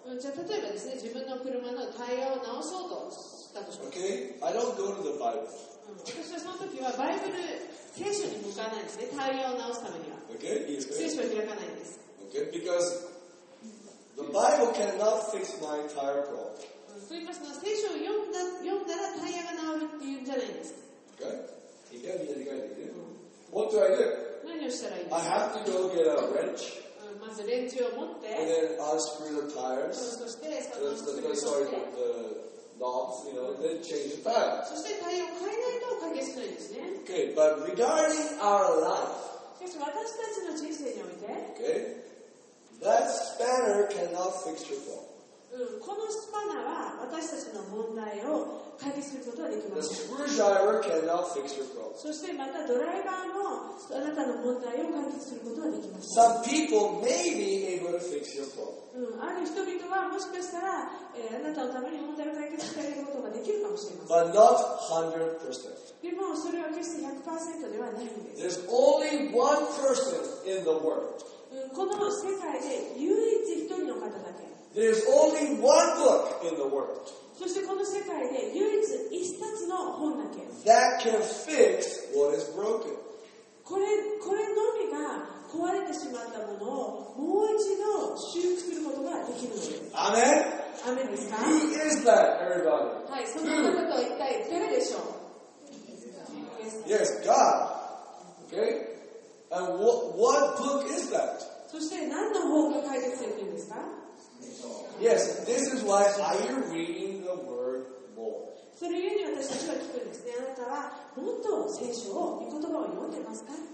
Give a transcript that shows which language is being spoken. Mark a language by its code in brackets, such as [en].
[ja] じゃあ例えばですね、自分の車のタイヤを直そうとしたとします。 [en] Okay, I don't go to the Bible. [ja] 私はその時はバイブル、聖書に向かないんですね、タイヤを直すためには。 [en] Okay, yes, right. [ja] 聖書を開かないんです。 [en] Okay, because the Bible cannot fix my tire problem. [ja] と言いますのは、聖書を読んだらタイヤが直るっていうんじゃないんです。 [en] Okay, [ja] 理解できない、理解できない。 [en] What do I do? [ja] 何をしたらいいんですか? [en] I have to go get a wrench. And then unscrew the tires. The knobs, you know, then change the tire. Okay, but regarding our life, okay, that spanner cannot fix your problem. [ja] このスパナは私たちの問題を解決することはできません。 [en] The screwdriver cannot fix your problem. [ja] そしてまたドライバーもあなたの問題を解決することはできません。 [en] Some people may be able to fix your problem. [ja] ある人々はもしかしたら、あなたのために問題を解決してあげることができるかもしれません。 [en] But not 100%. [ja] でもそれは決して 100% ではないんです。 [en] There's only one person in the world. [ja] この世界で唯一一人の方だけ。 [en] There's only one book in the world. [ja] そしてこの世界で唯一一冊の本だけ。 [en] That can fix what is broken. [ja] これのみが壊れてしまったものをもう一度修復することができるんです。 [en] Amen. [ja] Amen ですか? [en] Who is that, everybody? [ja] はい、そのことは一体誰でしょう? [en] Yes, God. Okay. And what book is that? [ja] そして何の本が解決されているんですか? [en] Yes, this is why I am reading the word more. [ja] そのように私たちは聞くんですね。あなたはもっと聖書を、御言葉を読んでますか?